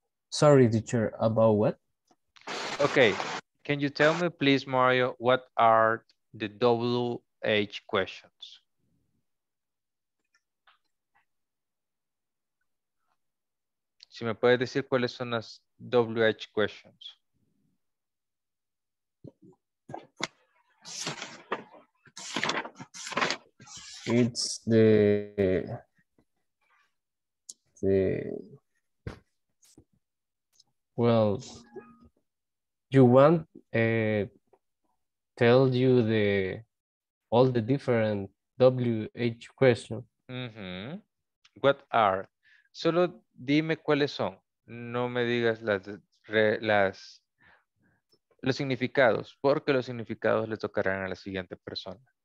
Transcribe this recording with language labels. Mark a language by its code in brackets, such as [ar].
[en] Sorry, teacher, about what? Okay, can you tell me, please, Mario, what are the WH questions? [es] Si me puedes decir cuáles son las WH questions. [en] It's the well, you want tell you the all the different WH questions. [es] Mm-hmm. [en] What are? [es] Solo dime cuáles son. No me digas las los significados, porque los significados le tocarán a la siguiente persona.